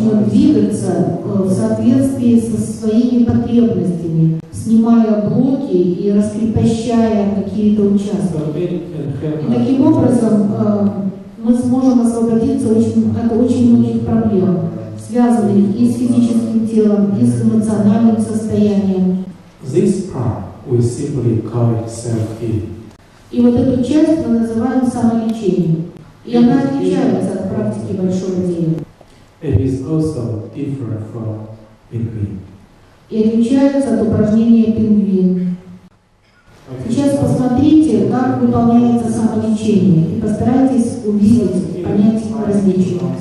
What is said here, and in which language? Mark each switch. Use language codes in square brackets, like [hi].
[ru] двигаться в соответствии со своими потребностями, снимая блоки и раскрепощая какие-то участки. И таким образом мы сможем освободиться от очень многих проблем, связанных и с физическим телом, и с эмоциональным состоянием. [en] This part we simply call it self-healing. [ru] И вот эту часть мы называем самолечением. И она отличается от практики большого тела. [en] It is also different from pingvin. [ru] И отличается от упражнения пингвин. [en] Okay. [ru] Сейчас посмотрите, как выполняется самолечение, и постарайтесь увидеть, понять различия.